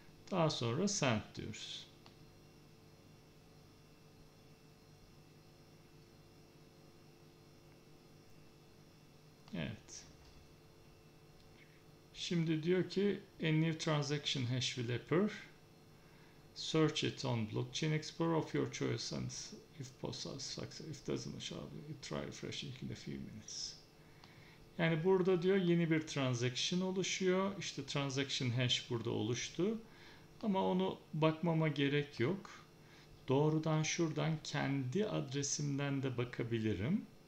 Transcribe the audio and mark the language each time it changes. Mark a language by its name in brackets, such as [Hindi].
[Turkish] Daha sonra send diyoruz. Evet. Şimdi diyor ki [English] a new transaction hash wrapper. Search it on Blockchain Explorer of your choice and if possible, if doesn't show, try refreshing in a few minutes. [Turkish] Yani burada diyor yeni bir transaction oluşuyor. İşte transaction hash burada oluştu. Ama onu bakmama gerek yok. Doğrudan şuradan kendi adresimden de bakabilirim.